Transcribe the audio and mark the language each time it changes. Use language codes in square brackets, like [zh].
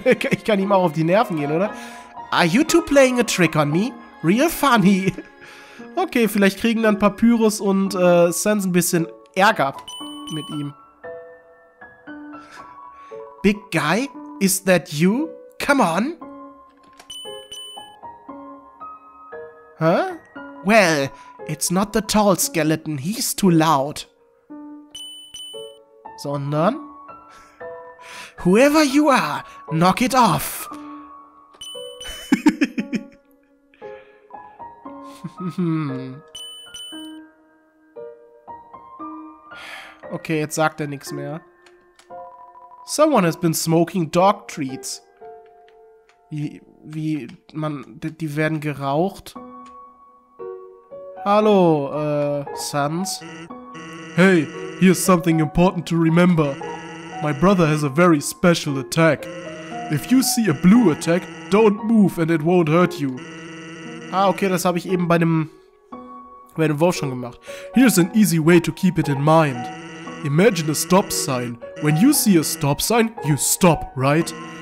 [de] Ich kann ihm auch auf die Nerven gehen, oder? [en] Are you two playing a trick on me? Real funny. [de] Okay, vielleicht kriegen dann Papyrus und Sans ein bisschen Ärger mit ihm. [en] Big guy, is that you? Come on. Huh? Well, it's not the tall skeleton, he's too loud. [de] Sondern? [en] Whoever you are, knock it off. [de] Okay, jetzt sagt er nichts mehr. [en] Someone has been smoking dog treats. [de] Die werden geraucht. Hallo, Sans. [en] Hey, here's something important to remember. My brother has a very special attack. If you see a blue attack, don't move and it won't hurt you. [de] Ah, okay, das habe ich eben bei einem Wolf schon gemacht. [en] Here's an easy way to keep it in mind. Imagine a stop sign. When you see a stop sign, you stop, right?